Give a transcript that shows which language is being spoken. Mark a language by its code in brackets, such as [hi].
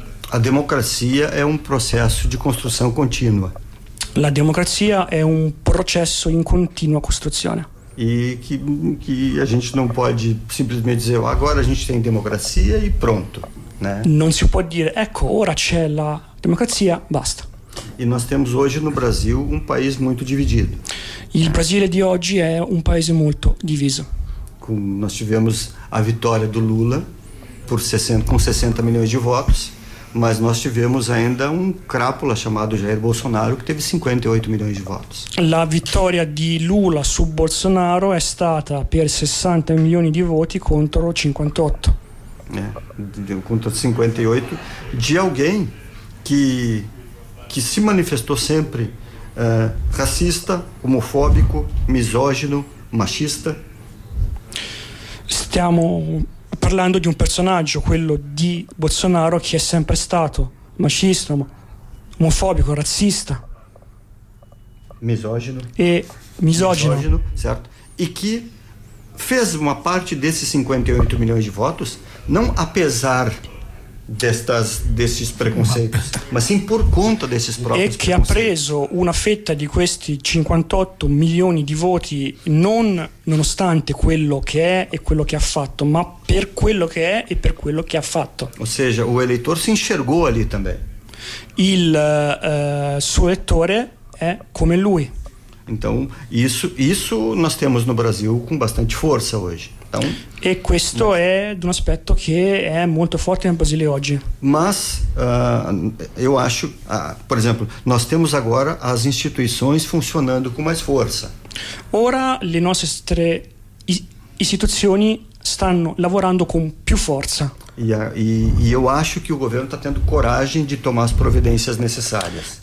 [pt] A democracia é um processo de construção contínua. [it] La democrazia è un processo in continua costruzione. [pt] E que a gente não pode simplesmente dizer, agora a gente tem democracia e pronto, né? [it] Non si può dire, ecco, ora c'è la democrazia, basta. [pt] E nós temos hoje no Brasil um país muito dividido. [it] Il Brasile di oggi è un paese molto diviso. [pt] Nós tivemos a vitória do Lula com 60 milhões de votos, mas nós tivemos ainda um crápula chamado Jair Bolsonaro que teve 58 milhões de votos. [it] La vittoria di Lula su Bolsonaro è stata per 60 milioni di voti contro 58. [pt] É, deu contra 58 de alguém que se manifestou sempre racista, homofóbico, misógino, machista. [it] Stiamo parlando di un personaggio, quello di Bolsonaro, che è sempre stato machista, omofobico, razzista. Misogino. E misogino. Misogino, certo. [pt] E che fez una parte desses 58 [it] milioni di voti, non [pt] apesar desses preconceitos, ma sim por conta desses próprios preconceitos. [it] E che ha preso una fetta di questi 58 milioni di voti, nonostante quello che è e quello che ha fatto, ma per quello che è e per quello che ha fatto. [pt] Ou seja, o eleitor si enxergou ali também. [it] Il suo elettore è come lui. [pt] Então, isso nós temos no Brasil com bastante força hoje. Então, [it] e questo è un aspetto che è molto forte nel Brasile oggi. Ma io acho, per esempio, noi abbiamo ora [pt] as instituições [it] funzionando con mais forza. Ora le nostre istituzioni stanno lavorando con più forza. E io acho che il governo sta [pt] tendo coragem [it] di [pt] tomar as providências necessárias.